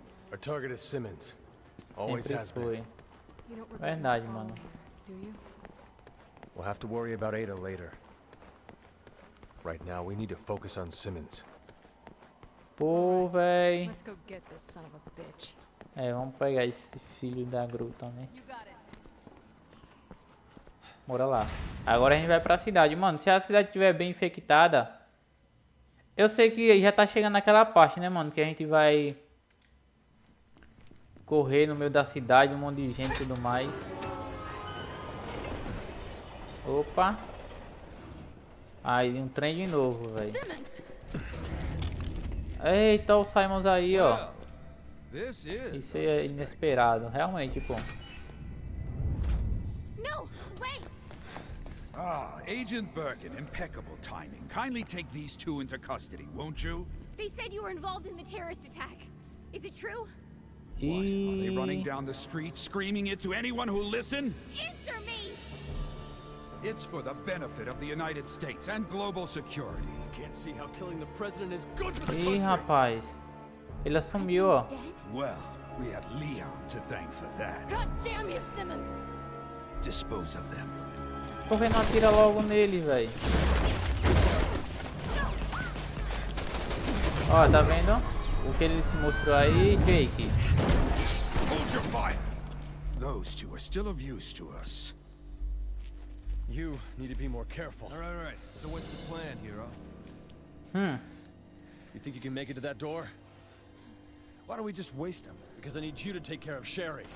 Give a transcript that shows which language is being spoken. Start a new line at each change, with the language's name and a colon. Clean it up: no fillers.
English: Our target is Simmons. Always
Portuguese: sempre
English: has been.
Portuguese: Verdade, mano.
English: Do you? We'll have to worry about Ada later. Right now, we need to focus on Simmons.
Portuguese: Pô, véi.
English: Let's go get this son of a bitch.
Portuguese: É, vamos pegar esse filho da gruta, né? Bora lá. Agora a gente vai pra cidade. Mano, se a cidade estiver bem infectada... Eu sei que já tá chegando naquela parte, né, mano? Que a gente vai... correr no meio da cidade, um monte de gente e tudo mais. Opa. Aí, um trem de novo, velho. Eita, o Simons aí, ó. Isso é inesperado, realmente, pô. Não, wait.
English: Ah, Agent Birkin, impeccable timing. Kindly take these two into custody, won't you? They said you were involved in the terrorist attack. Is it true? What? Are they running down the street screaming it to anyone who listen? Answer me. It's for the benefit of the United States and global security. Can't see how killing the president is good for the country.
Portuguese: Ih, rapaz. Ele assumiu, ó.
English: Well, we have Leon to thank for that. God damn you, Simmons. Dispose of them.
Portuguese: Por que não atira logo nele, velho? Ó, tá vendo? O que ele se mostrou aí, Jake.
English: Hold your fire. Those two are still of use to us. You need to be more careful. All right, all right. So what's the plan, hero? You think you can make it to that door? Why don't we just waste him? Because I need you to take care of Sherry.